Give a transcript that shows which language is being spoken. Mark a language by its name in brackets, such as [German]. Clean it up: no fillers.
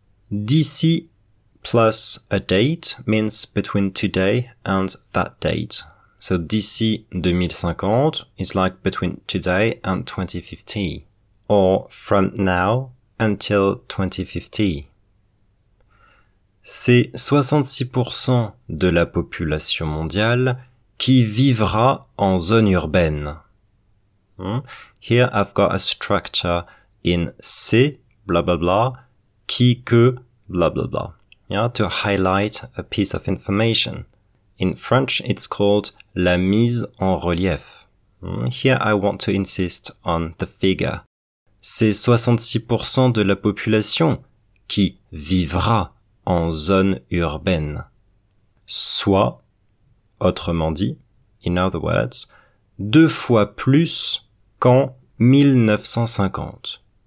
[English] D'ici plus a date means between today and that date. So [French] d'ici 2050 [English] is like between today and 2050, or from now until 2050. [French] C'est 66% de la population mondiale qui vivra en zone urbaine. [English] Here I've got a structure in C, blah blah blah, qui que, blah blah blah. Yeah, to highlight a piece of information. In French, it's called [French] la mise en relief. [English] Here I want to insist on the figure. [French] C'est 66% de la population qui vivra en zone urbaine. Soit, autrement dit, [English] in other words, [French] deux fois plus qu'en 1950.